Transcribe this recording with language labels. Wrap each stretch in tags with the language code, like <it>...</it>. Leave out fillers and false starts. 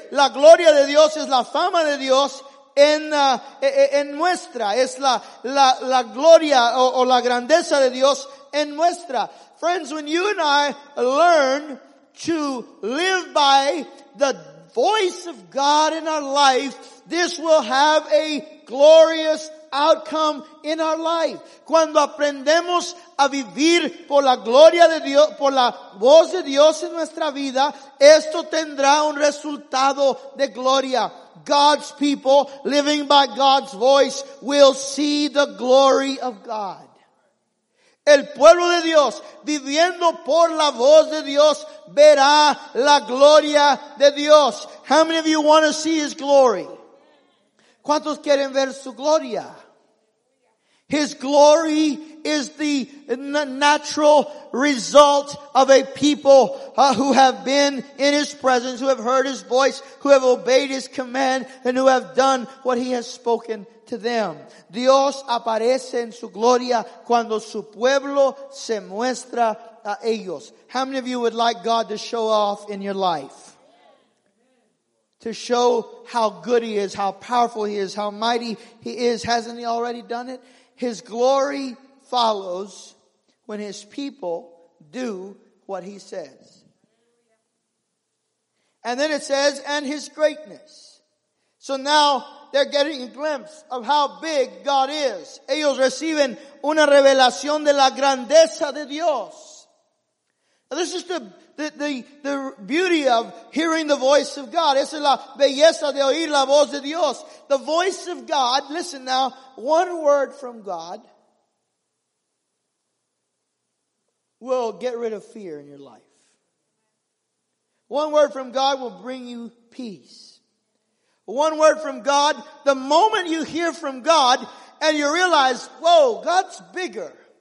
<es>La gloria de Dios es la fama de Dios en nuestra. Es la gloria o la grandeza de Dios en nuestra.</es> <en>Friends, when you and I learn to live by the voice of God in our life, this will have a glorious outcome in our life.</en> <es>Cuando aprendemos a vivir por la gloria de Dios, por la voz de Dios en nuestra vida, esto tendrá un resultado de gloria.</es> <en>God's people living by God's voice will see the glory of God.</en> <es>El pueblo de Dios, viviendo por la voz de Dios, verá la gloria de Dios.</es> <en>How many of you want to see His glory?</en> <es>¿Cuántos quieren ver su gloria?</es> <en>His glory is the natural result of a people who have been in His presence, who have heard His voice, who have obeyed His command, and who have done what He has spoken to them.</en> <es>Dios aparece en su gloria cuando su pueblo se muestra a ellos.</es> <en>How many of you would like God to show off in your life? To show how good He is, how powerful He is, how mighty He is. Hasn't He already done it? His glory follows when His people do what He says. And then it says, and His greatness. So now they're getting a glimpse of how big God is.</en> <es>Ellos reciben una revelación de la grandeza de Dios.</es> <en>Now this is the beauty of hearing the voice of God.</en> <es>Esa es la belleza de oír la voz de Dios.</es> <en>The voice of God, listen now, one word from God will get rid of fear in your life. One word from God will bring you peace. One word from God, the moment you hear from God and you realize, whoa, God's bigger.</en>